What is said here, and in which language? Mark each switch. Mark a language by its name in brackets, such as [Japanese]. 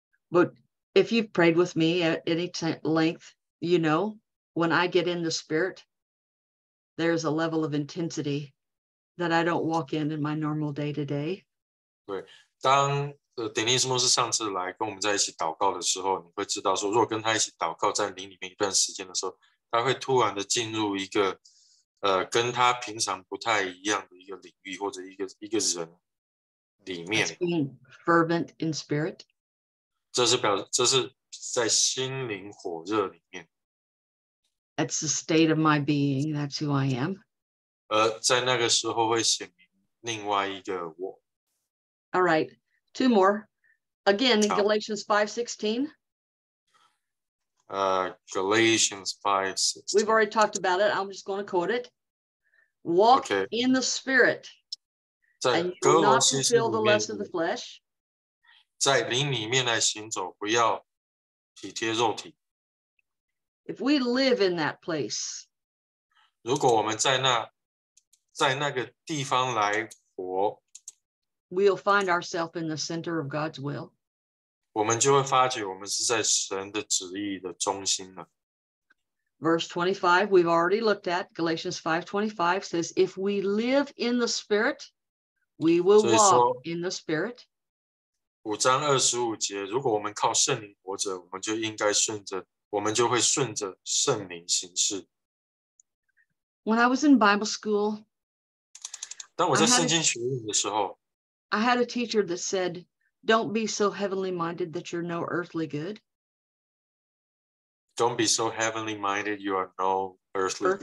[English] But if you've prayed with me at any length, you know, when I get in the Spirit, there's a level of intensity that I don't walk in my normal day-to-day. [Chinese] 对，当Denise牧师上次来跟我们在一起祷告的时候， 你会知道说，如果跟他一起祷告在灵里面一段时间的时候， 他会突然的进入一个， 跟他平常不太一样的一个领域，或者一个人里面。 [English] That's being fervent in spirit. [Chinese] 这是在心灵火热里面。 [English] That's the state of my being, that's who I am. [Chinese] 而在那个时候会显明另外一个我。 [English] All right, two more. Again, Galatians 5:16. Galatians 5:16. We've already talked about it. I'm just going to quote it. Walk in the Spirit, and you will not fulfill the lust of the flesh. [Chinese] 在灵里面来行走，不要体贴肉体。 [English] If we live in that place, [Chinese] 如果我们在那个地方来活， [English] we'll find ourselves in the center of God's will. [Chinese] 我们就会发觉我们是在神的旨意的中心了。 [English] Verse 25, we've already looked at, Galatians 5:25 says, if we live in the Spirit, we will walk in the Spirit. [Chinese] 五章二十五节，如果我们靠圣灵活着，我们就应该顺着，我们就会顺着圣灵行事。 [English] When I was in Bible school, [Chinese] 当我在圣经学院的时候， [English] I had a teacher that said, don't be so heavenly minded that you're no earthly good. Don't be so heavenly minded, you are no earthly good.